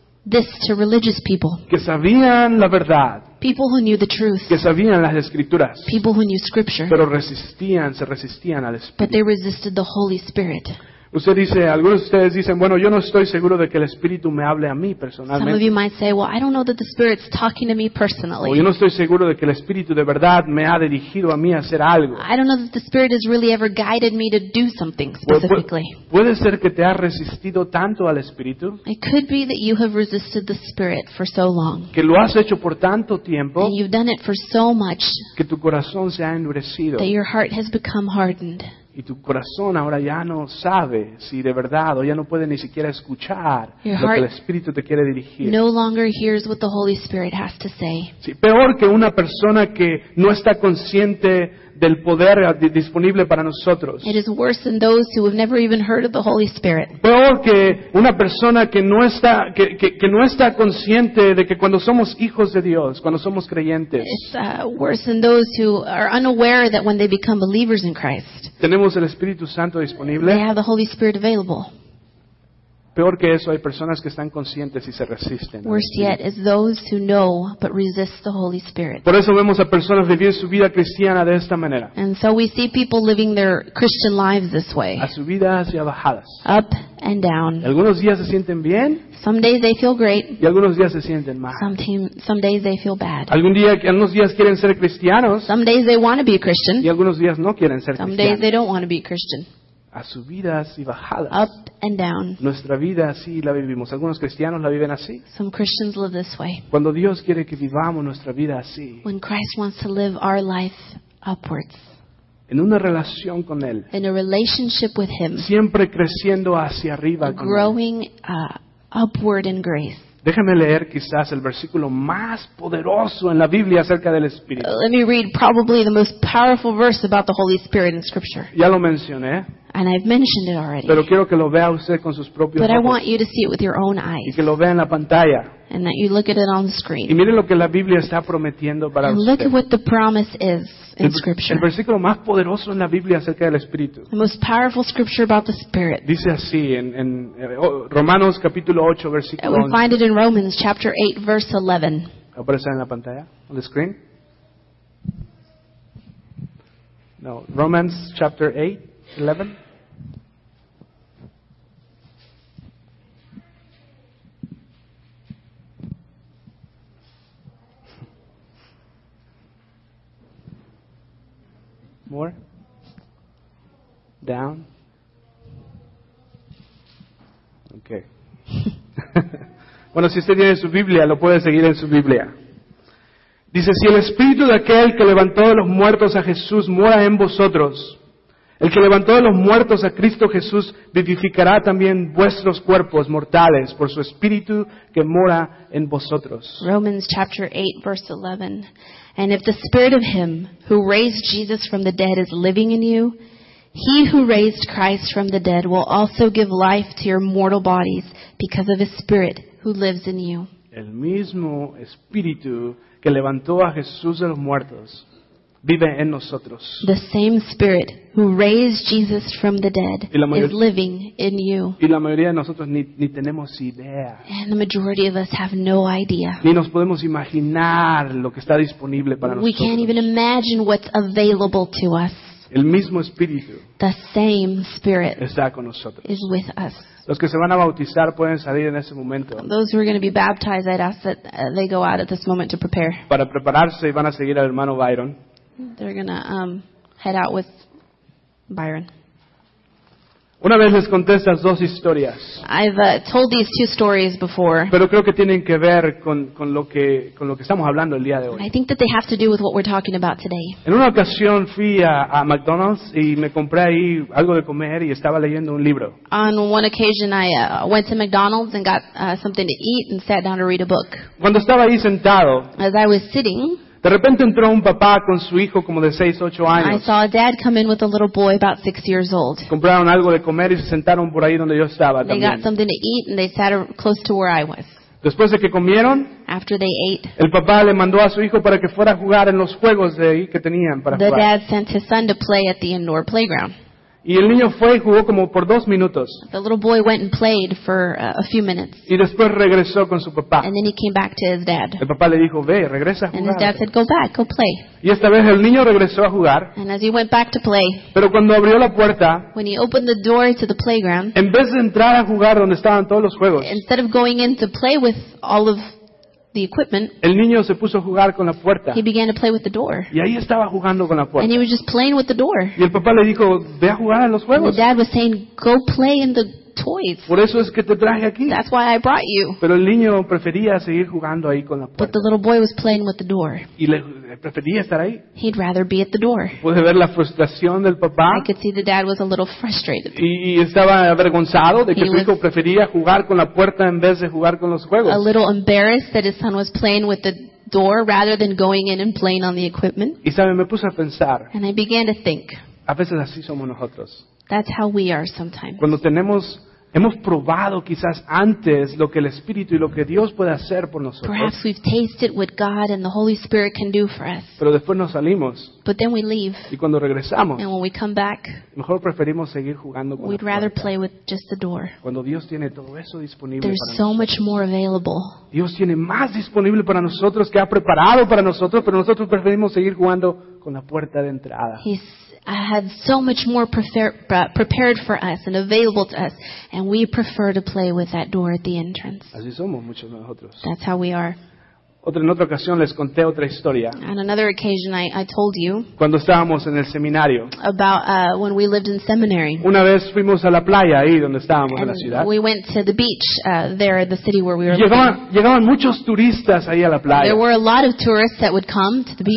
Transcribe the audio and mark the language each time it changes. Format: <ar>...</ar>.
<en>This to religious people.</en> <es>Que sabían la verdad.</es> <en>People who knew the truth.</en> <es>Que sabían las escrituras.</es> <en>People who knew scripture.</en> <es>Pero se resistían al Espíritu.</es> <en>But they resisted the Holy Spirit.</en> <es>Usted dice, algunos de ustedes dicen, bueno, yo no estoy seguro de que el Espíritu me hable a mí personalmente.</es> <en>Some of you might say, well, I don't know that the Spirit's talking to me personally.</en> <es>O yo no estoy seguro de que el Espíritu de verdad me ha dirigido a mí a hacer algo.</es> <en>I don't know that the Spirit has really ever guided me to do something specifically.</en> <es>Puede ser que te ha resistido tanto al Espíritu.</es> <en>It could be that you have resisted the Spirit for so long.</en> <es>Que lo has hecho por tanto tiempo.</es> <en>And you've done it for so much.</en> <es>Que tu corazón se ha endurecido.</es> <en>That your heart has become hardened.</en> <es>Y tu corazón ahora ya no sabe si de verdad o ya no puede ni siquiera escuchar lo que el Espíritu te quiere dirigir.</es> <en>No longer hears what the Holy Spirit has to say.</en> <es>Sí, peor que una persona que no está consciente del poder disponible para nosotros.</es> <en>It is worse than those who have never even heard of the Holy Spirit.</en> <es>Peor que una persona que no está consciente de que cuando somos hijos de Dios, cuando somos creyentes.</es> <en>It's worse than those who are unaware that when they become believers in Christ.</en> <es>Tenemos el Espíritu Santo disponible.</es> <en>They have the Holy Spirit available.</en> <es>Peor que eso, hay personas que están conscientes y se resisten.</es> <en>Worse yet is those who know but resist the Holy Spirit.</en> <es>Por eso vemos a personas vivir su vida cristiana de esta manera.</es> <en>And so we see people living their Christian lives this way.</en> <es>A subidas y a bajadas.</es> <en>Up and down.</en> <es>Algunos días se sienten bien.</es> <en>Some days they feel great.</en> <es>Y algunos días se sienten mal.</es> <en>Some days they feel bad.</en> <es>Algunos días quieren ser cristianos.</es> <en>Some days they want to be Christian.</en> <es>Y algunos días no quieren ser cristianos.</es> <en>Some days they don't want to be Christian.</en> <es>A subidas y bajadas.</es> <en>Up and down.</en> <es>Nuestra vida así la vivimos. Algunos cristianos la viven así.</es> <en>Some Christians live this way.</en> <es>Cuando Dios quiere que vivamos nuestra vida así.</es> <en>When Christ wants to live our life upwards.</en> <es>En una relación con Él.</es> <en>In a relationship with Him.</en> <es>Siempre creciendo hacia arriba con</es> <en>growing,</en> <es>Él.</es> <en>Upward in grace.</en> <es>Déjame leer quizás el versículo más poderoso en la Biblia acerca del Espíritu.</es> <en>Let me read probably the most powerful verse about the Holy Spirit in Scripture.</en> <es>Ya lo mencioné.</es> <en>And I've mentioned it already.</en> <es>Pero quiero que lo vea usted con sus propios</es> <en>but</en> <es>ojos.</es> <en>I want you to see it with your own eyes.</en> <es>Y que lo vea en la pantalla.</es> <en>And that you look at it on the screen.</en> <es>Y mire lo que la Biblia está prometiendo para</es> <en>and</en> <es>usted.</es> <en>Look at what the promise is in Scripture.</en> <es>El versículo más poderoso en la Biblia acerca del Espíritu.</es> <en>The most powerful scripture about the Spirit.</en> <es>Dice así en Romanos capítulo 8, versículo 11.</es> <en>And we find it in Romans chapter 8, verse 11.</en> <es>¿Aparece en la pantalla?</es> <en>On the screen? No. Romans chapter 8. 11. More. Down. Okay.</en> <es>Bueno, si usted tiene su Biblia, lo puede seguir en su Biblia. Dice, si el Espíritu de aquel que levantó de los muertos a Jesús mora en vosotros, el que levantó de los muertos a Cristo Jesús vivificará también vuestros cuerpos mortales por su Espíritu que mora en vosotros.</es> <en>Romans chapter 8, verse 11. And if the Spirit of Him who raised Jesus from the dead is living in you, He who raised Christ from the dead will also give life to your mortal bodies because of His Spirit who lives in you.</en> <es>El mismo Espíritu que levantó a Jesús de los muertos vive en nosotros.</es> <en>The same Spirit who raised Jesus from the dead is living in you.</en> <es>Y la mayoría de nosotros ni tenemos idea.</es> <en>And the majority of us have no idea.</en> <es>Ni nos podemos imaginar lo que está disponible para nosotros.</es> <en>We can't even imagine what's available to us.</en> <es>El mismo Espíritu.</es> <en>The same Spirit</en> <es>está con nosotros.</es> <en>Is with us.</en> <es>Los que se van a bautizar pueden salir en ese momento.</es> <en>Those who are going to be baptized, I'd ask that they go out at this moment to prepare.</en> <es>Para prepararse y van a seguir al hermano Byron.</es> <en>They're going to head out with Byron.</en> <es>Una vez les conté estas dos historias.</es> <en>I've told these two stories before.</en> <es>Pero creo que tienen que ver con lo que estamos hablando el día de hoy.</es> <en>I think that they have to do with what we're talking about today.</en> <es>En una ocasión fui a McDonald's y me compré ahí algo de comer y estaba leyendo un libro.</es> <en>On one occasion I went to McDonald's and got something to eat and sat down to read a book.</en> <es>Cuando estaba ahí sentado,</es> <en>as I was sitting,</en> <es>de repente entró un papá con su hijo como de 6, 8 años.</es> <en>I saw a dad come in with a little boy about 6 years old.</en> <es>Compraron algo de comer y se sentaron por ahí donde yo estaba también.</es> <en>They got something to eat and they sat close to where I was.</en> <es>Después de que comieron,</es> <en>after they ate,</en> <es>el papá le mandó a su hijo para que fuera a jugar en los juegos de ahí que tenían para</es> <en>the</en> <es>jugar.</es> <en>The dad sent his son to play at the indoor playground.</en> <es>Y el niño fue y jugó como por 2 minutos.</es> <en>The little boy went and played for a few minutes.</en> <es>Y después regresó con su papá.</es> <en>And then he came back to his dad.</en> <es>El papá le dijo, ve, regresa a jugar.</es> <en>And his dad said, go back, go play.</en> <es>Y esta vez el niño regresó a jugar.</es> <en>And as he went back to play.</en> <es>Pero cuando abrió la puerta,</es> <en>when he opened the door to the playground,</en> <es>en vez de entrar a jugar donde estaban todos los juegos,</es> <en>instead of going in to play with all of the equipment,</en> <es>el niño se puso a jugar con la puerta.</es> <en>He began to play with the door.</en> <es>Y ahí estaba jugando con la puerta.</es> <en>And he was just playing with the door.</en> <es>Y el papá le dijo, ve a jugar a los juegos.</es> <en>And the dad was saying, go play in the toys.</en> <es>Por eso es que te traje aquí.</es> <en>That's why I brought you.</en> <es>Pero el niño prefería seguir jugando ahí con la puerta.</es> <en>But the little boy was playing with the door.</en> <es>Y le prefería estar ahí.</es> <en>He'd rather be at the door.</en> <es>Pude ver la frustración del papá.</es> <en>I could see the dad was a little frustrated.</en> <es>Y estaba avergonzado de que su hijo prefería jugar con la puerta en vez de jugar con los juegos.</es> <en>A little embarrassed that his son was playing with the door rather than going in and playing on the equipment.</en> <es>Y sabe, me puse a pensar.</es> <en>And I began to think.</en> <es>A veces así somos nosotros.</es> <en>That's how we are sometimes.</en> <es>Cuando tenemos, hemos probado quizás antes lo que el Espíritu y lo que Dios puede hacer por nosotros.</es> <en>Perhaps we've tasted what God and the Holy Spirit can do for us.</en> <es>Pero después nos salimos.</es> <en>But then we leave.</en> <es>Y cuando regresamos,</es> <en>and when we come back,</en> <es>mejor preferimos seguir jugando con la puerta.</es> <en>We'd rather play with just the door.</en> <es>Cuando Dios tiene todo eso disponible para nosotros.</es> <en>There's so much more available.</en> <es>Dios tiene más disponible para nosotros que ha preparado para nosotros, pero nosotros preferimos seguir jugando con la puerta de entrada.</es> <en>I have so much more prepared for us and available to us, and we prefer to play with that door at the entrance.</en> <es>Así somos muchos de nosotros.</es> <en>That's how we are.</en> <es>En otra ocasión les conté otra historia.</es> <en>On another occasion, I told you.</en> <es>Cuando estábamos en el seminario.</es> <en>About when we lived in seminary.</en> <es>Una vez fuimos a la playa ahí donde estábamos en la ciudad.</es> <en>We went to the beach there, the city where we were.</en> <es>Llegaban muchos turistas ahí a la playa.</es> <en>There were a lot of tourists that would come to the beach.</en>